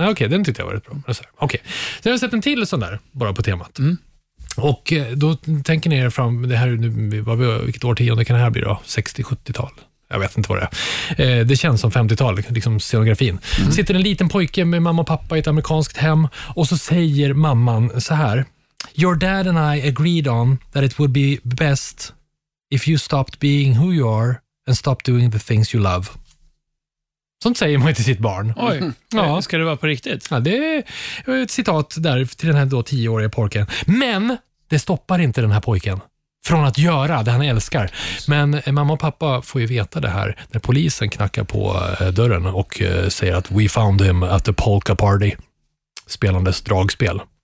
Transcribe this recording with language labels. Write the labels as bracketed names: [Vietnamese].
[Swedish] Okej, den tyckte jag var rätt bra. Okej. Sen har jag sett en till sån där, bara på temat. Mm. Och då tänker ni er fram, det här, nu, vilket årtionde kan det här bli då? 60-70-tal. Jag vet inte vad det är. Det känns som 50-tal, liksom scenografin. Mm. Sitter en liten pojke med mamma och pappa i ett amerikanskt hem. Och så säger mamman så här: [English] "Your dad and I agreed on that it would be best if you stopped being who you are and stopped doing the things you love." [Swedish] Sånt säger man till sitt barn. Oj, ska det vara på riktigt? Ja, det är ett citat där till den här då 10-åriga pojken. Men det stoppar inte den här pojken från att göra det han älskar. Men mamma och pappa får ju veta det här när polisen knackar på dörren och säger att [English] "we found him at the polka party", [Swedish] spelandes dragspel.